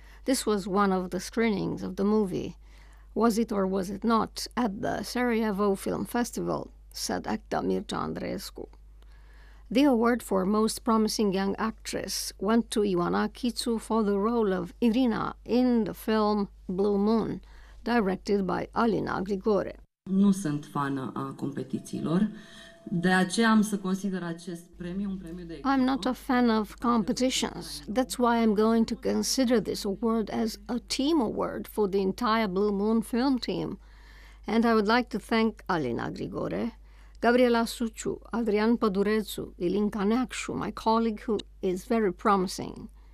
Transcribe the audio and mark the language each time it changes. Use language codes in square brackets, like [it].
[en] This was one of the screenings of the movie, Was It or Was It Not, at the Sarajevo Film Festival, said actor Mircea Andreescu. The award for Most Promising Young Actress went to Ioana Chițu for the role of Irina in the film Blue Moon, directed by Alina Grigore. [ro] Nu sunt fană a competițiilor. De aceea am să consider acest premiu un premiu de echipă. [en] I'm not a fan of competitions. That's why I'm going to consider this award as a team award for the entire Blue Moon film team. And I would like to thank Alina Grigore, Gabriela Suciu, Adrian Pădurețu, Ilinca Neacșu, my colleague who is very promising.